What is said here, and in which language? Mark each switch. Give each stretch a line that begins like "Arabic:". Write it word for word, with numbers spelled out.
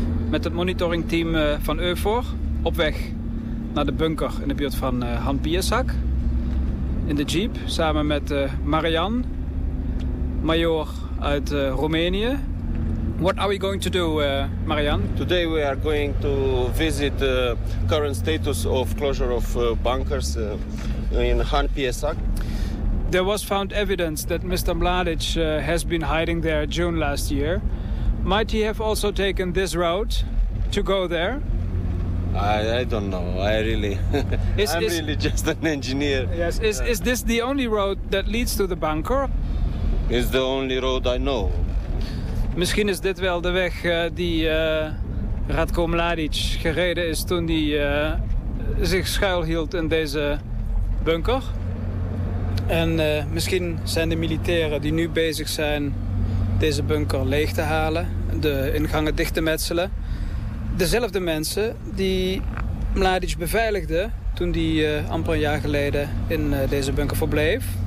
Dutch: Met het monitoringteam van EUFOR op weg naar de bunker in de buurt van Han Piesak. In de jeep samen met Marian, major uit Roemenië.
English: What are we going to do, uh, Marian? Today we are going to visit the current status of closure of bunkers in Han Piesak. There was found evidence that Mister Mladic has been hiding there June last year. Might he have also taken this route to go there? I, I don't know. I really, is, I'm is, really just an engineer. Yes. Is uh, is this the only road that leads to the bunker? It's the only road I know.
Dutch: Misschien is dit wel de weg uh, die uh, Ratko Mladic gereden is toen hij uh, zich schuilhield in deze bunker. En uh, misschien zijn de militairen die nu bezig zijn deze bunker leeg te halen, de ingangen dicht te metselen, dezelfde mensen die Mladic beveiligden toen die uh, amper een jaar geleden in uh, deze bunker verbleef.